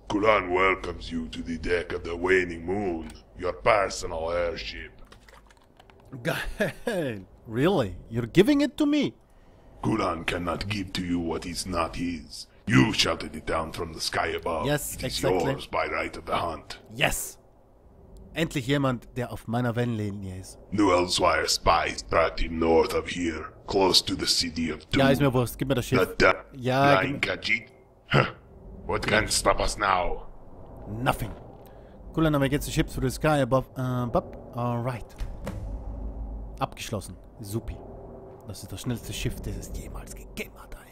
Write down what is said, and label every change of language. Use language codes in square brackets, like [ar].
[en] Gulan welcomes you to the deck of the waning moon. Your personal airship. Geil! Really? You're giving it to me? Gulan cannot give to you what is not his. You shouted it down from the sky above. Yes, it is exactly. Yours by right of the hunt. Yes! [de] Endlich jemand, der auf meiner Wellenlinie ist. [en] New Elsewhere spies tracked him north of here, close to the city of Doom. [de] Ja, ist mir bewusst. Gib mir das Schiff. [en] Flying Khajiit? What can stop us now? Nothing. [de] Cool, dann haben wir jetzt ein Schiff [en] through the sky above. Alright. [de] Abgeschlossen. Supi. Das ist das schnellste Schiff, das es jemals gegeben hat.